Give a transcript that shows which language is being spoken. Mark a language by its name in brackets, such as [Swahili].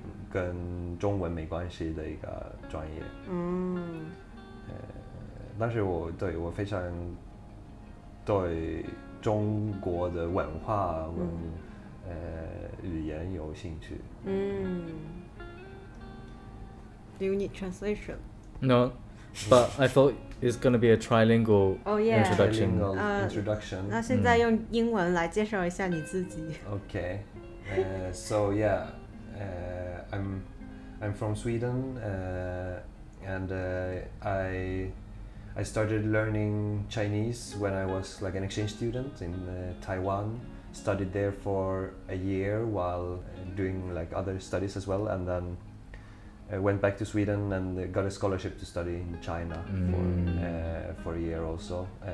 [Chinese] 跟中文没关系的一个专业。嗯。但是我对我非常对中国的文化和、嗯、语言有兴趣。嗯。 [English] Do you need translation? No, but I thought it's going to be a trilingual introduction. Oh, yeah. Introduction. [Chinese] 那现在用英文来介绍一下你自己。 [English] Okay. So yeah, I'm from Sweden, and I started learning Chinese when I was like an exchange student in Taiwan. Studied there for a year while doing like other studies as well, and then went back to Sweden and got a scholarship to study in China for a year also.